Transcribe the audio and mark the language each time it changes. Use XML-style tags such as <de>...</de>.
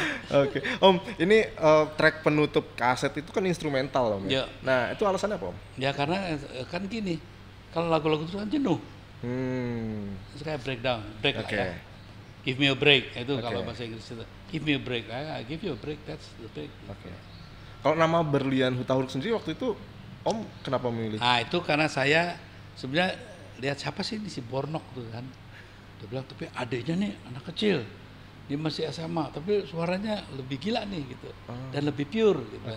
<id>Oke, okay. Om, ini track penutup kaset itu kan instrumental om ya? Ya. Nah, itu alasannya apa om? Ya karena kan gini, kalau lagu-lagu itu kan jenuh. Hmm. Itu kayak</id> <en>breakdown, break okay.</en> <id>lah ya.</id> <en>Give me a break, itu okay.</en> <id>kalau bahasa Inggris itu.</id> <en>Give me a break, I give you a break, that's the break.</en> <id>Oke. Okay. Kalau nama Berlian Huta Huruk sendiri waktu itu, om kenapa memilih? Nah, itu karena saya sebenarnya lihat siapa sih ini si Bornok tuh kan. Dia bilang, tapi adeknya nih anak kecil. Dia masih SMA, tapi suaranya lebih gila nih gitu, dan lebih pure gitu,</id>